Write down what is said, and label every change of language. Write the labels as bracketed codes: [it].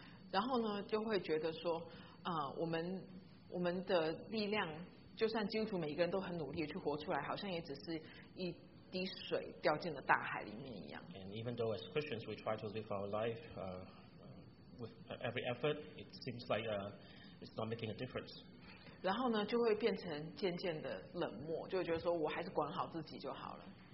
[zh] 然后呢，就会觉得说，我们的力量，就算基督徒每一个人都很努力去活出来，好像也只是一滴水掉进了大海里面一样。 [en] And even though as Christians we try to live our life, with every effort, it seems like it's not making a difference. [zh] 然后呢，就会变成渐渐的冷漠，就会觉得说我还是管好自己就好了。